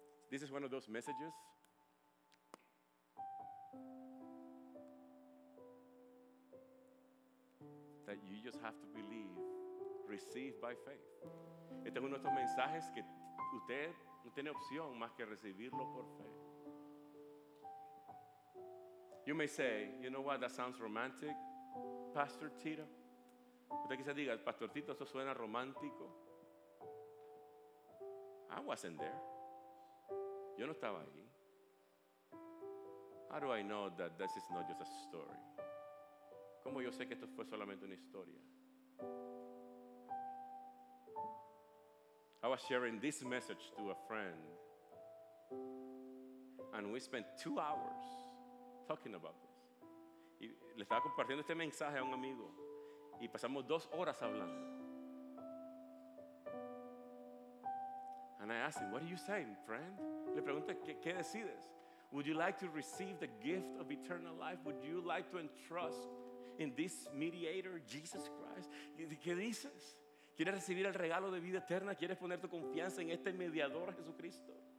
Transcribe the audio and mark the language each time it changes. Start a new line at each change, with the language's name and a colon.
English: This is one of those messages that you just have to believe, receive by faith.
Spanish: Este es uno de estos mensajes que usted no tiene opción más que recibirlo por fe.
English: You may say, you know what, that sounds romantic, Pastor Tito.
Spanish: Usted quizás diga, Pastor Tito, eso suena romántico.
English: I wasn't there.
Spanish: Yo no estaba ahí.
English: How do I know that this is not just a story?
Spanish: ¿Cómo yo sé que esto fue solamente una historia?
English: I was sharing this message to a friend, and we spent 2 hours talking about this.
Spanish: Y le estaba compartiendo este mensaje a un amigo, y pasamos 2 horas hablando.
English: And I asked him, "What are you saying, friend?"
Spanish: Le pregunté, ¿qué decides?
English: Would you like to receive the gift of eternal life? Would you like to entrust in this mediator, Jesus Christ?
Spanish: ¿Qué dices? ¿Quieres recibir el regalo de vida eterna? ¿Quieres poner tu confianza en este mediador, Jesucristo?